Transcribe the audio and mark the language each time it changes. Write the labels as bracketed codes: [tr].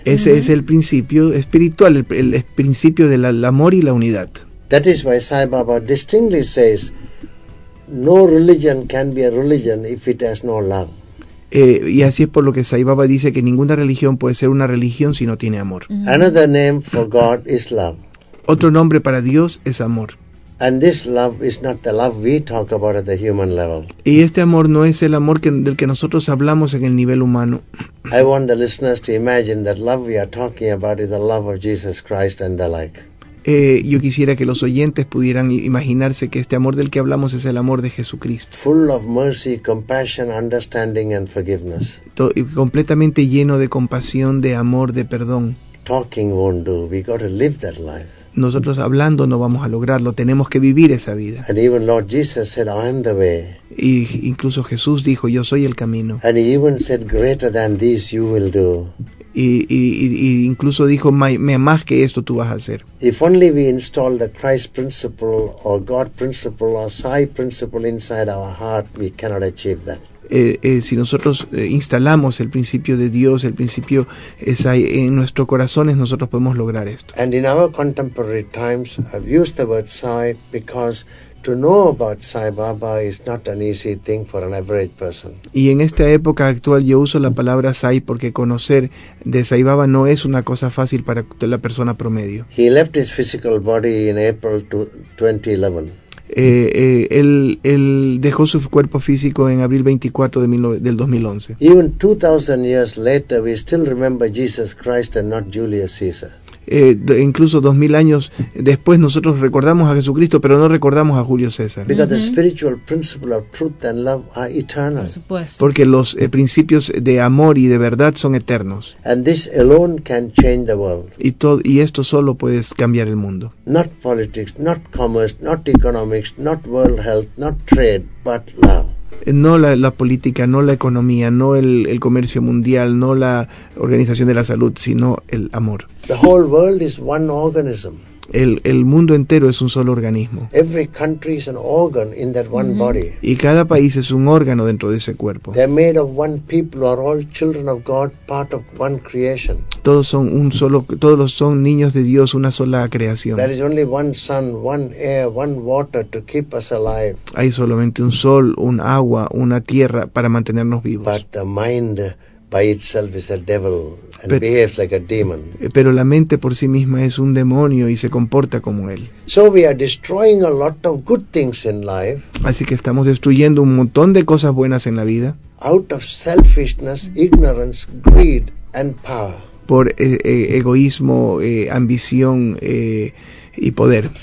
[es] Ese mm-hmm. es el principio espiritual, el principio del amor y la unidad. [en] That is why Sai Baba distinctly says, no religion can be a religion if it has no love. [es] Y así es por lo que Sai Baba dice que ninguna religión puede ser una religión si no tiene amor. [en] Mm-hmm. Another name for God is love. [es] Otro nombre para Dios es amor. [en] And this love is not the love we talk about at the human level. [es] Y este amor no es el amor que, del que nosotros hablamos en el nivel humano. [en] I want the listeners to imagine that love we are talking about is the love of Jesus Christ and the like. [es] Yo quisiera que los oyentes pudieran imaginarse que este amor del que hablamos es el amor de Jesucristo. [en] Full of mercy, compassion, understanding and forgiveness. [es] Y completamente lleno de compasión, de amor, de perdón. [en] Talking won't do. We got to live that life. [es] Nosotros hablando no vamos a lograrlo, tenemos que vivir esa vida. [en] And even Lord Jesus said, I am the way. [es] Y incluso Jesús dijo, yo soy el camino. [en] And he even said, greater than this you will do. [es] Y incluso dijo, más que esto tú vas a hacer. [en] If only we install the Christ principle or God principle or Sai principle inside our heart, we cannot achieve that. [es] Si nosotros instalamos el principio de Dios, el principio es ahí, en nuestros corazones, nosotros podemos lograr esto. [en] And in our contemporary times, I've used the word Sai because to know about Sai Baba is not an easy thing for an average person. [es] Y en esta época actual yo uso la palabra Sai porque conocer de Sai Baba no es una cosa fácil para la persona promedio. [en] He left his physical body in April 2011. [es] Él dejó su cuerpo físico en abril 24 del 2011. [en] Even 2000 years later we still remember Jesus Christ and not Julius Caesar. [es] Incluso 2000 años después nosotros recordamos a Jesucristo pero no recordamos a Julio César. [en] Because the spiritual principle of truth and love are eternal. [es] Por supuesto. Porque los principios de amor y de verdad son eternos. [en] And this alone can change the world. [es] Y esto solo puede cambiar el mundo. [en] Not politics, not commerce, not economics, not world health, not trade, but love. [es] No la política, no la economía, no el comercio mundial, no la organización de la salud, sino el amor. [en] The whole world is one organism. [es] El mundo entero es un solo organismo. [en] Every country is an organ in that one mm-hmm. body. [es] Y cada país es un órgano dentro de ese cuerpo. [en] They're made of one people, are all children of God, part of one creation. [es] Todos son niños de Dios, una sola creación. [en] There is only one sun, one air, one water to keep us alive. [es] Hay solamente un sol, un agua, una tierra para mantenernos vivos. [en] But the mind by itself is a devil and behaves like a demon. [es] Pero la mente por sí misma es un demonio y se comporta como él. [en] So we are destroying a lot of good things in life. [es] Así que estamos destruyendo un montón de cosas buenas en la vida. [en] Out of selfishness, ignorance, greed and power. [es] Por egoísmo, ambición y poder.